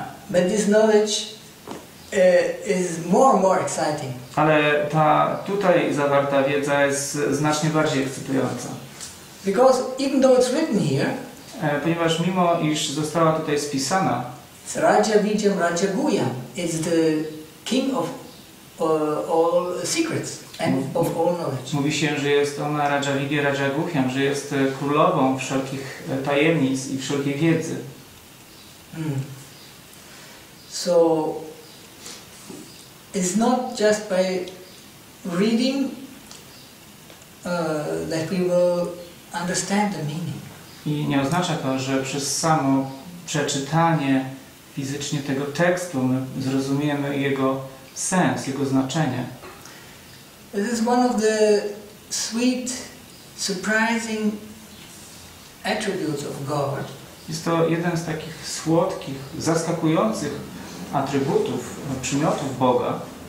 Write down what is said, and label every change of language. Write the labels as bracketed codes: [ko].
[en] But this knowledge is more and more exciting. [pl] Ale ta tutaj zawarta wiedza jest znacznie bardziej ekscytująca. [en] Because even though it's written here, [pl] ponieważ mimo iż została tutaj spisana, [en] it's Raja Vijam Raja Guyam, it's the king of all secrets and of all knowledge. [pl] Mówi się, że jest ona Raja Vijam Raja Guyam, że jest królową wszelkich tajemnic i wszelkiej wiedzy. Mm. [en] So it's not just by reading that we will understand the meaning. [pl] I nie oznacza to, że przez samo przeczytanie fizycznie tego tekstu, my zrozumiemy jego sens, jego znaczenie. [en] This is one of the sweet, surprising attributes of God. [pl] Jest to jeden z takich słodkich, zaskakujących atrybutów, przymiotów Boga.